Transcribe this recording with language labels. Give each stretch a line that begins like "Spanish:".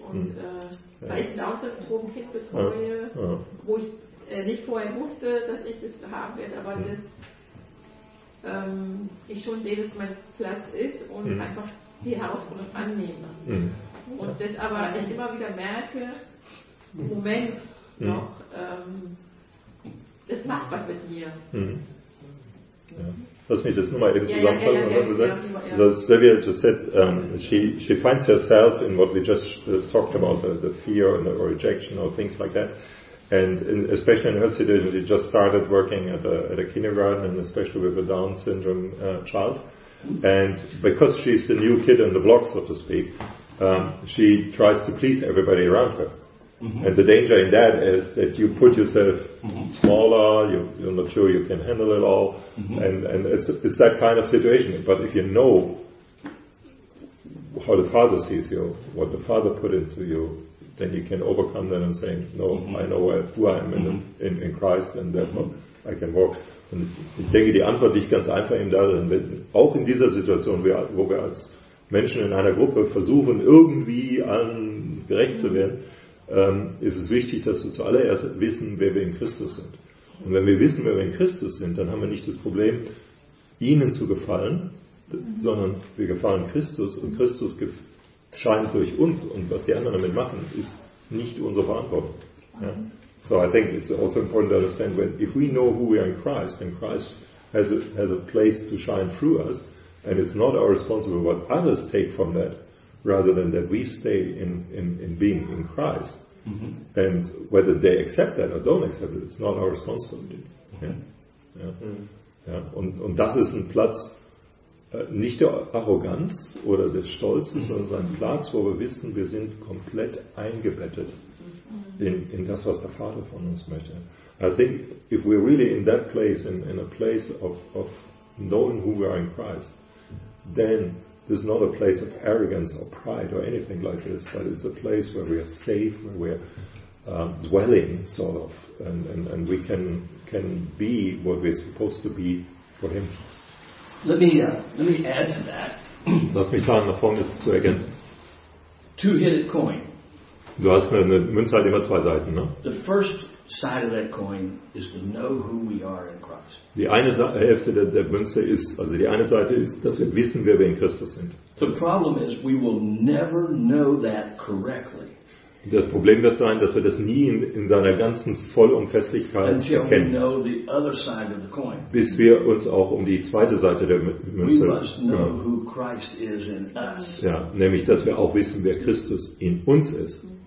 German: Und weil ich ein Down-Syndrom-Kind betreue, wo ich nicht vorher wusste, dass ich das haben werde, aber das, ich schon sehe, dass mein Platz ist und einfach die Herausforderung annehme. Und das aber ich immer wieder merke, Moment noch, das macht was mit mir. Ja. Lass mich das nochmal eben zusammenfassen.
English: So, Sylvia just said, she finds herself in what we just talked about, the fear and the rejection or things like that. And especially in her situation, she just started working at a kindergarten, and especially with a Down syndrome child. And because she's the new kid on the block, so to speak, she tries to please everybody around her. Mm-hmm. And the danger in that is that you put yourself smaller, you're not sure you can handle it all, and it's that kind of situation. But if you know how the Father sees you, what the Father put into you, then you can overcome that and say, no, I know who I am in Christ, and therefore I can walk.
German: Und ich denke, die Antwort liegt ganz einfach in darin, wenn, auch in dieser Situation, wo wir als Menschen in einer Gruppe versuchen, irgendwie allen gerecht zu werden, ist es wichtig, dass wir zuallererst wissen, wer wir in Christus sind. Und wenn wir wissen, wer wir in Christus sind, dann haben wir nicht das Problem, ihnen zu gefallen, sondern wir gefallen Christus und Christus scheint durch uns und was die anderen damit machen, ist nicht unsere Verantwortung. Ja?
English: So I think it's also important to understand, when, if we know who we are in Christ, then Christ has a place to shine through us and it's not our responsibility what others take from that, rather than that we stay in being in Christ. Mm-hmm. And whether they accept that or don't accept it, it's not our responsibility. Yeah. Yeah. Mm-hmm. Yeah.
German: Und das ist ein Platz, nicht der Arroganz oder des Stolzes, sondern sein Platz, wo wir wissen, wir sind komplett eingebettet in das, was der Vater von uns möchte.
English: I think if we're really in that place, in a place of knowing who we are in Christ, then there's not a place of arrogance or pride or anything like this, but it's a place where we are safe, where we're dwelling, sort of, and we can be what we're supposed to be for Him. Let me add to that.
German: Lass mich da eine Formel zu ergänzen.
English: Two-headed coin.
German: Du hast eine Münze hat immer zwei Seiten, ne?
English: The first side of that coin is to know who we are in Christ.
German: Die eine Hälfte der Münze ist, also die eine Seite ist, dass wir wissen, wer wir in Christus sind.
English: The problem is we will never know that correctly.
German: Das Problem wird sein, dass wir das nie in seiner ganzen Vollumfestlichkeit erkennen,
English: know the other side of the coin.
German: Bis wir uns auch um die zweite Seite der Münze kümmern. Ja, nämlich, dass wir auch wissen, wer Christus in uns ist.